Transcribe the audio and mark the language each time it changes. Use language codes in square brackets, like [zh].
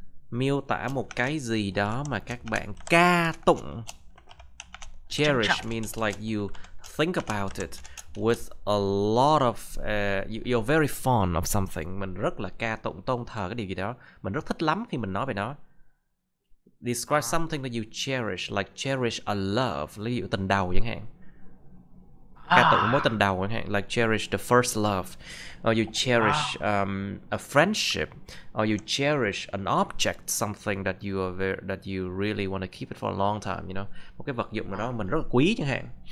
[vi] Miêu tả một cái gì đó mà các bạn ca tụng. [en] Cherish means like you think about it with a lot of you're very fond of something. [vi] Mình rất là ca tụng, tôn thờ cái điều gì đó. Mình rất thích lắm khi mình nói về nó. [en] Describe something that you cherish, like cherish a love, [vi] ví dụ tình đầu chẳng hạn. Ca tụng mối tình đầu chẳng hạn, [en] like cherish the first love, or you cherish a friendship, or you cherish an object, something that you are very, that you really want to keep it for a long time, you know. [vi] Một cái vật dụng nào đó mình rất là quý chẳng hạn.